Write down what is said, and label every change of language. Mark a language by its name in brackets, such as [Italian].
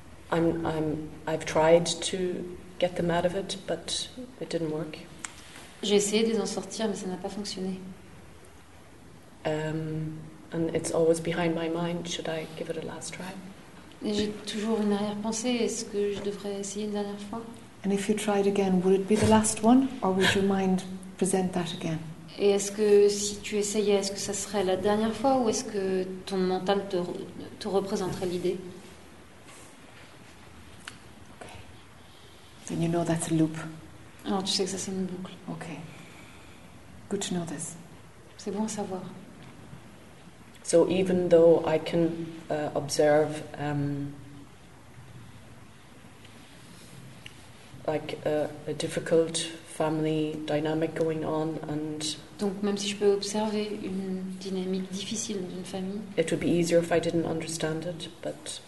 [English] I've tried to get them out of it, but it didn't work. [French] J'ai essayé de les en sortir, mais ça n'a pas fonctionné. [English] And it's always behind my mind. Should I give it a last try? [French] Et j'ai toujours une arrière-pensée. Est-ce que je devrais essayer une dernière fois? [English] And if you tried again, would it be the last one, or would your mind present that again? [French] Et est-ce que si tu essayais, est-ce que ça serait la dernière fois, ou est-ce que ton mental te représenterait l'idée? [English] Okay. Then you know that's a loop. [French] Alors tu sais que ça c'est une boucle. [English] Okay. Good to know this. [French] C'est bon à savoir. [English] So even though I can observe. Like a difficult family dynamic going on, and [French] donc même si je peux observer une dynamique difficile d'une famille, [English] it would be easier if I didn't understand it, but